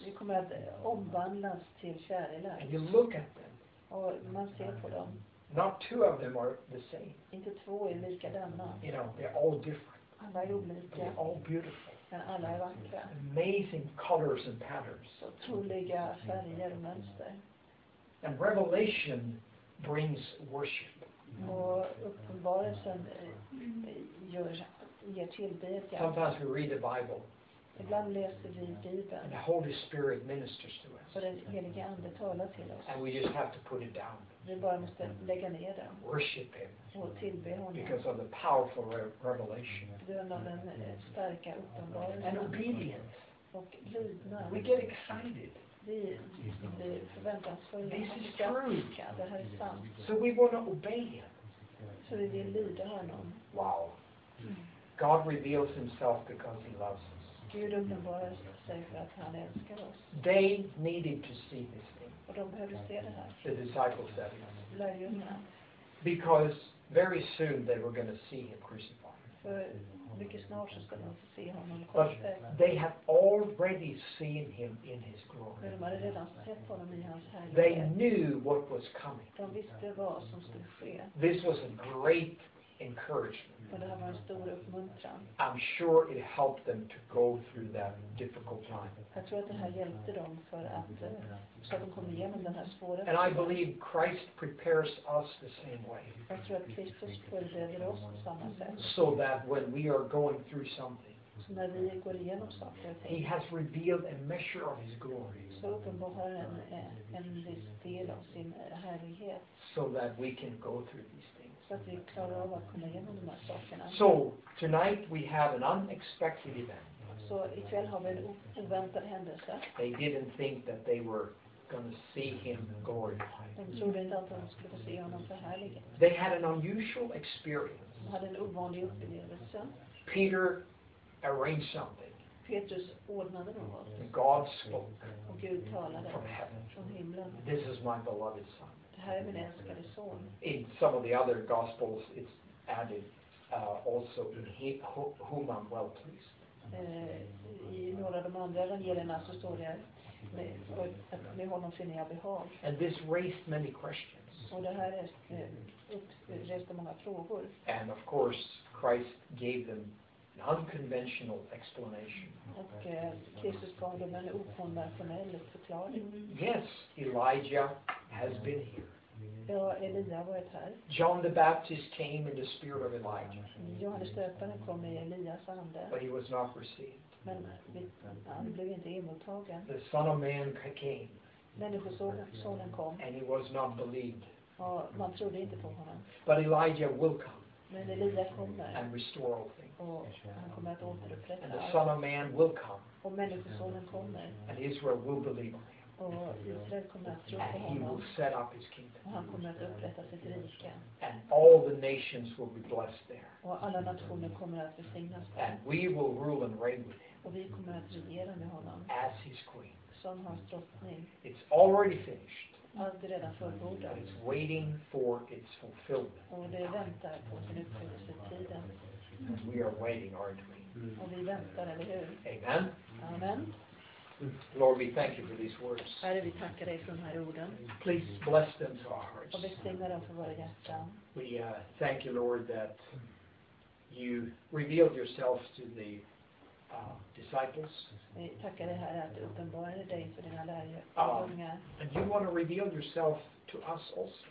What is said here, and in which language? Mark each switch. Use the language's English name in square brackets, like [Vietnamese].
[Swedish] Vi kommer att omvandlas till kärlek. [English] And you look at them. [Swedish] Och man ser på dem. [English] Not two of them are the same. [Swedish] Inte två är likadana. [English] You know, they're all different. [Swedish] Alla är olika. [English] They're all beautiful. [Swedish] Men alla är vackra. [English] Amazing colors and patterns. [Swedish] Så otroliga färger och mönster. [English] And revelation brings worship. [Swedish] Och uppenbarelsen gör ger tillbedjan. [English] Sometimes we read the Bible. [Swedish] Ibland läser vi Bibeln. [English] And the Holy Spirit ministers to us. [Swedish] Och den helige ande talar till oss. [English] And we just have to put it down. [Swedish] Vi bara måste lägga ner den. [English] Worship him. [Swedish] Och tillbe honom. [English] Because of the powerful revelation. [Swedish] På grund av den starka uppenbarelsen. [English] And obedience. [Swedish] Och lydnad. [English] We get excited. [Swedish] Vi förväntansfulla. [English] This is true. [Swedish] Det här är sant. [English] So we want to obey him. [Swedish] Så vi vill lyda honom. [English] Wow. God reveals himself because he loves us. [Swedish] Gud uppenbarar sig för att han älskar oss. [English] They needed to see this thing. [Swedish] Och de behövde se det här. [English] The disciples that he was. [Swedish] Lärjungarna. [English] Because very soon they were going to see him crucified. [Swedish] För mycket snart så skulle de få se honom korsfäst. [English] They have already seen him in his glory. [Swedish] De hade redan sett honom i hans härlighet. [English] They knew what was coming. [Swedish] De visste vad som skulle ske. [English] This was a great encouragement. [Swedish] Och det här var en stor uppmuntran. [English] I'm sure it helped them to go through that difficult time. [Swedish] Jag tror att det här hjälpte dem för att så att de kom igenom den här svåra. [English] And I believe Christ prepares us the same way. [Swedish] Jag tror att Kristus förbereder oss på samma sätt. [English] So that when we are going through something, [Swedish] så när vi går igenom saker, [English] he has revealed a measure of his glory. [Swedish] Så uppenbarar en viss del av sin härlighet. [English] So that we can go through these things. [Swedish] Så att vi klarar av att komma igenom de här sakerna. [English] So, tonight we have an unexpected event. [Swedish] Så ikväll har vi en oväntad händelse. [English] They didn't think that they were going to see him glorified. [Swedish] De trodde inte att de skulle få se honom förhärligad. [English] They had an unusual experience. [Swedish] De hade en ovanlig upplevelse. [English] Peter arranged something. [Swedish] Petrus ordnade något. [English] God spoke. [Swedish] Och Gud talade. [English] From heaven. [Swedish] Från himlen. [English] This is my beloved son. [Swedish] Det här är min älskade son. [English] In some of the other gospels it's added also in whom I'm well pleased. [Swedish] I några av de andra evangelierna så står det att med honom finner jag behag. [English] And this raised many questions. [Swedish] Och det här reste många frågor. [English] And of course Christ gave them an unconventional explanation. [Swedish] Och Kristus gav dem en okonventionell förklaring. [English] Yes, Elijah has been here. [Swedish] Ja, Elia varit här. [English] John the Baptist came in the spirit of Elijah. [Swedish] Johannes döparen kom i Elias ande. [English] But he was not received. [Swedish] Men han blev inte emottagen. [English] The Son of Man came. [Swedish] Människosonen kom. [English] And he was not believed. [Swedish] Och man trodde inte på honom. [English] But Elijah will come. [Swedish] Men Elia kommer. [English] And restore all things. [Swedish] Och han kommer att återupprätta. [English] And the Son of Man will come. [Swedish] Och människosonen kommer. [English] And Israel will believe. [Swedish] Och Israel kommer att tro på honom. [English] Will set up his kingdom. [Swedish] Och han kommer att upprätta sitt rike. [English] And all the nations will be blessed there. [Swedish] Och alla nationer kommer att välsignas där. [English] And we will rule and reign with him. [Swedish] Och vi kommer att regera med honom. [English] As his queen. [Swedish] Som hans drottning. [English] It's already finished. [Swedish] Allt är redan fullbordat. [English] It's waiting for its fulfillment. [Swedish] Och det väntar på sin uppfyllelse tiden. [English] And we are waiting, aren't we? [Swedish] Och vi väntar, eller hur? [English] Amen. [Swedish] Amen. [English] Lord, we thank you for these words. [Swedish] Herre, vi tackar dig för de här orden. [English] Please bless them to our hearts. [Swedish] Och välsigna dem för våra hjärtan. [English] We thank you, Lord, that you revealed yourself to the disciples. [Swedish] Vi tackar dig, Herre, att du uppenbarade dig för dina lärjungar. [English] And you want to reveal yourself to us also.